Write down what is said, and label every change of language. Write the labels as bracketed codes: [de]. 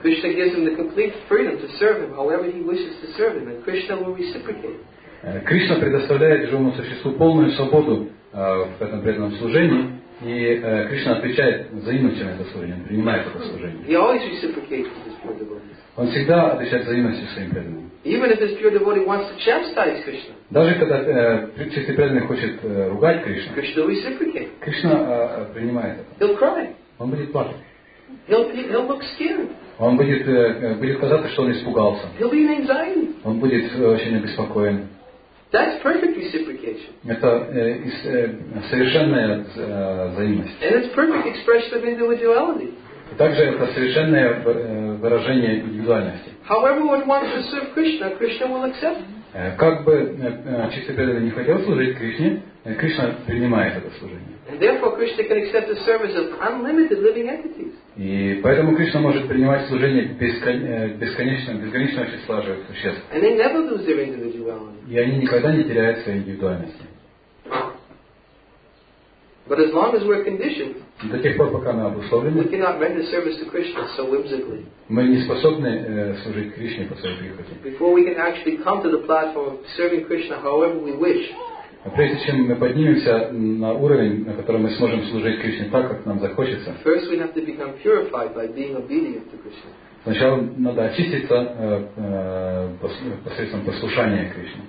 [en] Krishna gives him the complete freedom to serve him however he wishes to serve him, and Krishna will reciprocate. [ru] Кришна предоставляет живому существу полную свободу в этом преданном служении, и Кришна отвечает взаимностью на это служение, он принимает это служение. [en] He always reciprocates with his pure devotees. [ru] Он всегда отвечает взаимностью своим преданным. [en] Even if this pure devotee wants to chastise Krishna. [ru] Даже когда чистый преданный хочет ругать Кришну. [en] Krishna will reciprocate. [ru] Кришна принимает это. [en] He'll cry. [ru] Он будет плакать. [en] He'll look scared. [ru] Он будет казаться, что он испугался. [en] He'll be in anxiety. [ru] Он будет очень обеспокоен. [en] That's perfect reciprocation. [ru] Это совершенная взаимность. [en] And it's perfect expression of individuality. [ru] И также это совершенное выражение индивидуальности. [en] However one wants to serve Krishna, Krishna will accept. [ru] Как бы чистый преданный не хотел служить Кришне, Кришна принимает это служение. [en] And therefore Krishna can accept the service of unlimited living entities. [ru] И поэтому Кришна может принимать служение бесконечного числа живых существ. [en] And they never lose their individuality. [ru] И они никогда не теряют своей индивидуальности. [en] But as long as we're conditioned, [ru] до тех пор, пока мы обусловлены, [en] we cannot render service to Krishna so whimsically. [ru] Мы не способны служить Кришне по своей прихоти. [en] Before we can actually come to the platform of serving Krishna however we wish. [ru] Прежде чем мы поднимемся на уровень, на котором мы сможем служить Кришне так, как нам захочется, [en] first we have to become purified by being obedient to Krishna. [ru] Сначала надо очиститься посредством послушания Кришне.